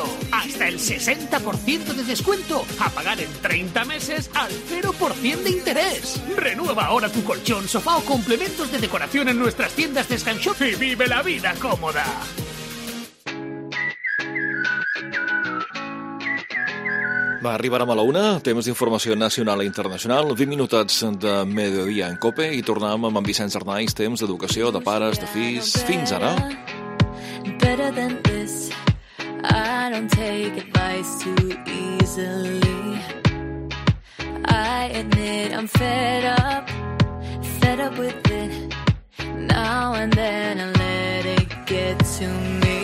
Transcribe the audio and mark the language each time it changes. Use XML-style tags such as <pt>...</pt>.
<es>Hasta el 60% de descuento a pagar en 30 meses al 0% de interés. Renueva ahora tu colchón, sofá o complementos de decoración en nuestras tiendas de Scanshop y vive la vida cómoda.</es> <ca>Va, arribarem a la una, temes d'informació nacional i internacional, 20 minutets de mediodia en COPE, i tornem amb en Vicenç Arnaiz, temps d'educació, de pares, de fills, fins ara.</ca> <en>Better than this, I don't take advice too easily. I admit I'm fed up with it, now and then I let it get to me.</en>